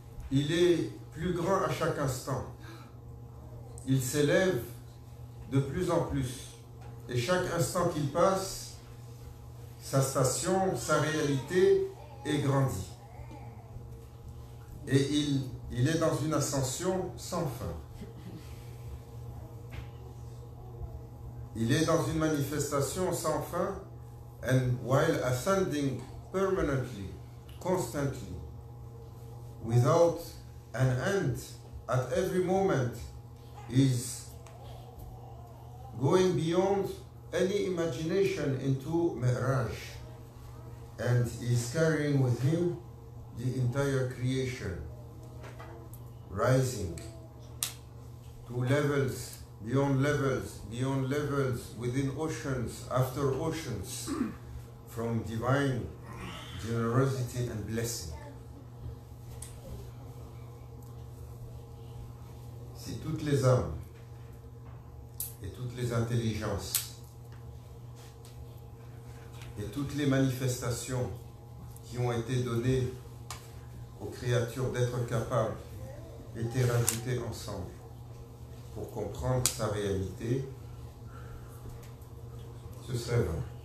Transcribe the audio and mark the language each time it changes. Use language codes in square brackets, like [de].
[fr] Il est plus grand à chaque instant. Il s'élève de plus en plus. Et chaque instant qu'il passe, sa station, sa réalité est grandie. Et il est dans une ascension sans fin. Il est dans une manifestation sans fin, [en] and while ascending permanently, constantly, without an end, at every moment, is going beyond any imagination into Mi'raj, and is carrying with him the entire creation, rising to levels, beyond levels, beyond levels, within oceans, after oceans, from divine generosity and blessing. [fr] Si toutes les âmes et toutes les intelligences et toutes les manifestations qui ont été données aux créatures d'être capables étaient rajoutées ensemble pour comprendre sa réalité, ce serait vrai.